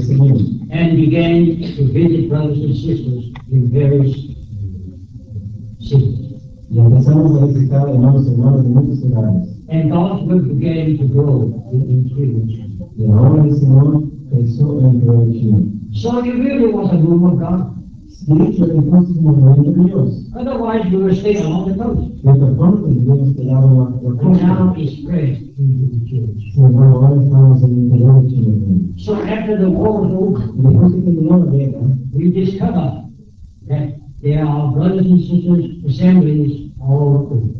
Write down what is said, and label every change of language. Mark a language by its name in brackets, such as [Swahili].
[English] and began to visit brothers and sisters in various cities. [Spanish] Y a visitar hermanos y hermanas en muchos lugares. [English] And God's word began to grow in the interior of China. [Spanish] Y la obra del Señor creció en el interior de China. [English] So it really was a move of God. Otherwise, we would stay along the coast. But the front is being spread out the coast. And now it's spread into the church. So after the war was over, we discovered that there are brothers and sisters assemblies all over.